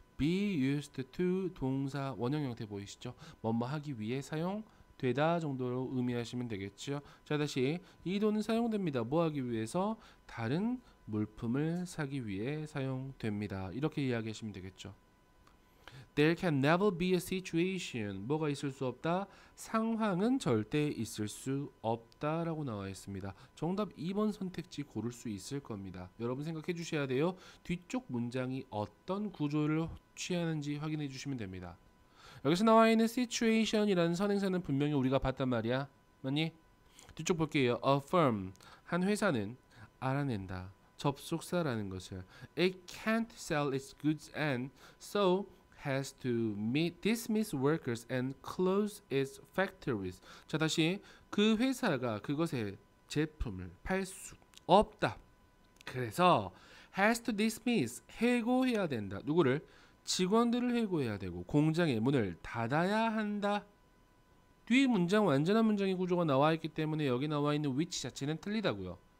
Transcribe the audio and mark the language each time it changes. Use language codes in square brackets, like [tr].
[en] be used to [ko] 동사 원형 형태 보이시죠? 뭐뭐 하기 위해 사용되다 정도로 의미하시면 되겠죠? 자, 다시 이 돈은 사용됩니다. 뭐 하기 위해서? 다른 물품을 사기 위해 사용됩니다. 이렇게 이야기하시면 되겠죠? [en] There can never be a situation. [ko] 뭐가 있을 수 없다? 상황은 절대 있을 수 없다라고 나와 있습니다. 정답 2번 선택지 고를 수 있을 겁니다. 여러분 생각해 주셔야 돼요. 뒤쪽 문장이 어떤 구조를 취하는지 확인해 주시면 됩니다. 여기서 나와 있는 situation이라는 선행사는 분명히 우리가 봤단 말이야. 맞니? 뒤쪽 볼게요. [en] A firm. [ko] 한 회사는 알아낸다. 접속사라는 것을. [en] It can't sell its goods and so has to meet dismiss workers and close its factories. [ko] 자, 다시 그 회사가 그것의 제품을 팔수 없다. 그래서 [en] has to dismiss, [ko] 해고해야 된다. 누구를? 직원들을 해고해야 되고 공장의 문을 닫아야 한다. 뒤 문장 완전한 문장의 구조가 나와 있기 때문에 여기 나와 있는 which 자체는 틀리다고요.